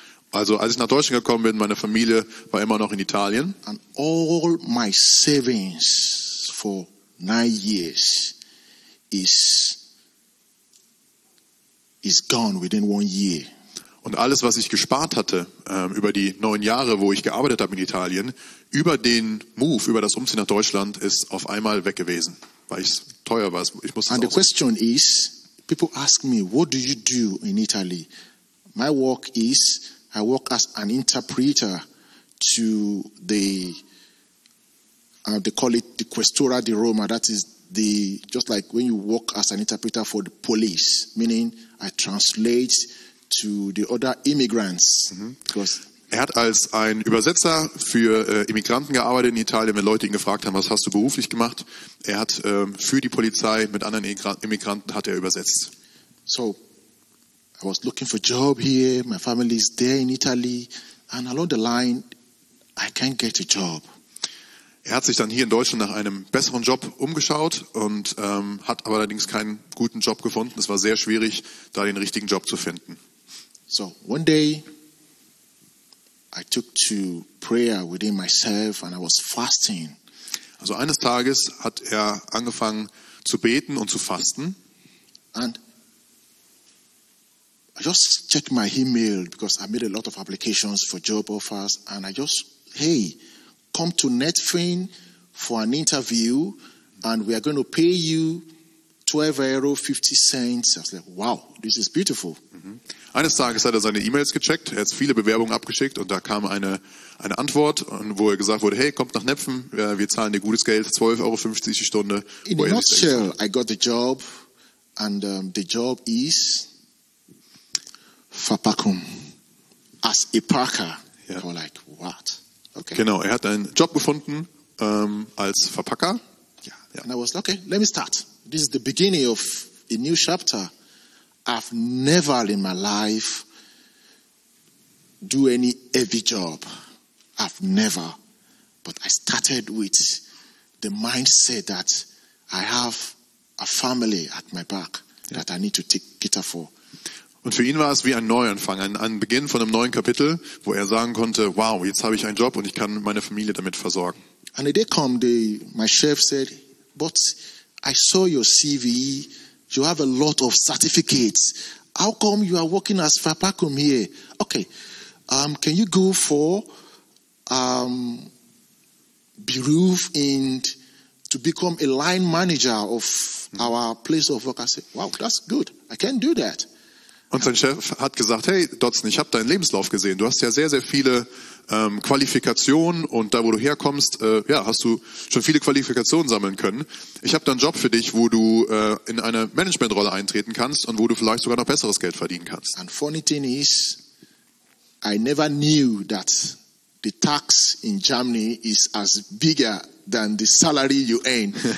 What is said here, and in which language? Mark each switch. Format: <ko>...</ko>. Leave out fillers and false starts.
<de>Also als ich nach Deutschland gekommen bin, meine Familie war immer noch in Italien.</de> <en>And all my savings for 9 years is gone within 1 year.</en> <de>Und alles, was ich gespart hatte über die 9 Jahre, wo ich gearbeitet habe in Italien, über den Move, über das Umziehen nach Deutschland, ist auf einmal weg gewesen, weil es teuer war. Ich musste.</de> <en>And the question is, people ask me, what do you do in Italy? My work is, I work as an interpreter to they call it the Questura di Roma. That is the just like when you work as an interpreter for the police, meaning I translate to the other immigrants. Mm-hmm.</en> <de>Er hat als ein Übersetzer für Immigranten gearbeitet in Italien, wenn Leute ihn gefragt haben, was hast du beruflich gemacht? Er hat für die Polizei mit anderen Immigranten hat er übersetzt.</de> <en>So, I was looking for a job here, my family is there in Italy, and along the line, I can't get a job.</en> <de>Er hat sich dann hier in Deutschland nach einem besseren Job umgeschaut und hat aber allerdings keinen guten Job gefunden. Es war sehr schwierig, da den richtigen Job zu finden.</de> <en>So one day I took to prayer within myself and I was fasting.</en> <de>Also eines Tages hat er angefangen zu beten und zu fasten.</de> <en>And I just checked my email because I made a lot of applications for job offers and I just hey come to Netfin for an interview and we are going to pay you €12.50. I was like, wow, this is beautiful.</en> <de>Eines Tages hat er seine E-Mails gecheckt, er hat viele Bewerbungen abgeschickt und da kam eine Antwort, wo er gesagt wurde, hey, kommt nach Netfin, wir zahlen dir gutes Geld, €12.50 die Stunde.</de> <en>In a nutshell, I got the job and the job is Verpackung as a Parker. Yeah. I was like, what? Okay.</en> <de>Genau, er hat einen Job gefunden als Verpacker.</de> <en>Yeah. And I was like, okay, let me start. This is the beginning of a new chapter. I've never in my life do any heavy job. I've never. But I started with the mindset that I have a family at my back that I need to take care for.</en> <de>Und für ihn war es wie ein Neuanfang, ein Beginn von einem neuen Kapitel, wo er sagen konnte, wow, jetzt habe ich einen Job und ich kann meine Familie damit versorgen.</de> <en>And the day come, my chef said, but I saw your CV. You have a lot of certificates. How come you are working as Fapakum here? Okay. Can you go for Beruf and to become a line manager of our place of work? I said, wow, that's good. I can do that.</en> <de>Und sein Chef hat gesagt, hey, Dotson, ich habe deinen Lebenslauf gesehen. Du hast ja sehr, sehr viele Qualifikationen und da, wo du herkommst, hast du schon viele Qualifikationen sammeln können. Ich habe da einen Job für dich, wo du in eine Managementrolle eintreten kannst und wo du vielleicht sogar noch besseres Geld verdienen kannst.</de> <en>And funny thing is, I never knew that the tax in Germany is as bigger than the salary you earn.</en>